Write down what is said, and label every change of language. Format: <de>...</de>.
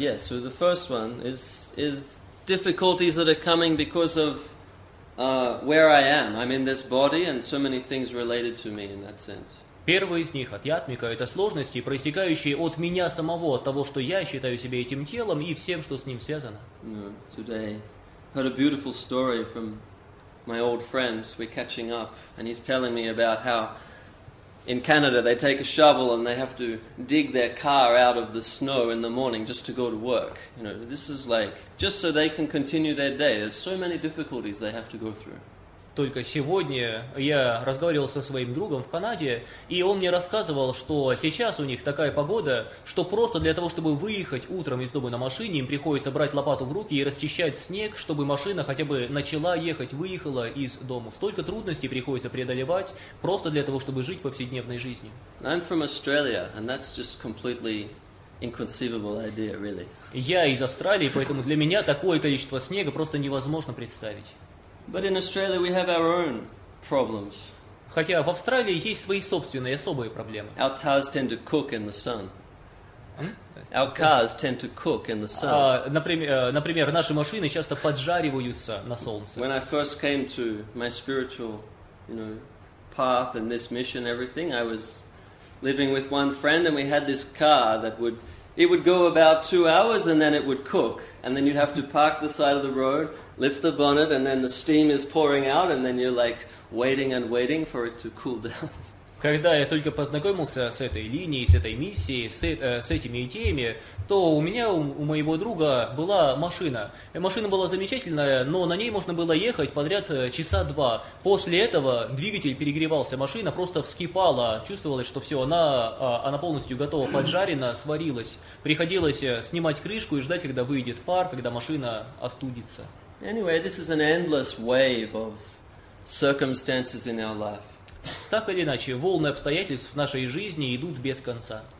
<en>Yes, so the first one is difficulties that are coming because of where I am. I'm in this body and so many things related to me in that sense.</en> <ru>Первый из них, адхьятмика, это сложности, проистекающие от меня самого, от того, что я считаю себя этим телом и всем, что с ним связано.</ru> <en>Today heard a beautiful story from my old friend. We're catching up, and he's telling me about how in Canada they take a shovel and they have to dig their car out of the snow in the morning just to go to work. You know, this is like just so they can continue their day. There's so many difficulties they have to go through.</en> <ru>Только сегодня я разговаривал со своим другом в Канаде, и он мне рассказывал, что сейчас у них такая погода, что просто для того, чтобы выехать утром из дома на машине, им приходится брать лопату в руки и расчищать снег, чтобы машина хотя бы начала ехать, выехала из дома. Столько трудностей приходится преодолевать просто для того, чтобы жить повседневной жизнью.</ru> <en>I'm from Australia, and that's just completely inconceivable idea, really.</en> <ru>Я из Австралии, поэтому для меня такое количество снега просто невозможно представить.</ru> <en>But in Australia we have our own problems.</en> <ru>Хотя в Австралии есть свои собственные особые проблемы.</ru> <en>Our cars tend to cook in the sun. Our cars tend to cook in the sun.</en> <ru>Например, наши машины часто поджариваются на солнце.</ru> <en>When I first came to my spiritual, you know, path and this mission, everything, I was living with one friend and we had this car that would go about 2 hours and then it would cook, and then you'd have to park the side of the road, lift the bonnet, and then the steam is pouring out, and then you're like waiting and waiting for it to cool down.</en> <ru>Когда я только познакомился с этой линией, с этой миссией, с этими идеями, то у меня, у моего друга была машина. Машина была замечательная, но на ней можно было ехать подряд часа два. После этого двигатель перегревался, машина просто вскипала. Чувствовалось, что все, она полностью готова, поджарена, сварилась. Приходилось снимать крышку и ждать, когда выйдет пар, когда машина остудится.</ru> <en>Anyway, this is an endless wave of circumstances in our life.</en> <ru>Так или иначе, волны обстоятельств в нашей жизни идут без конца.</ru>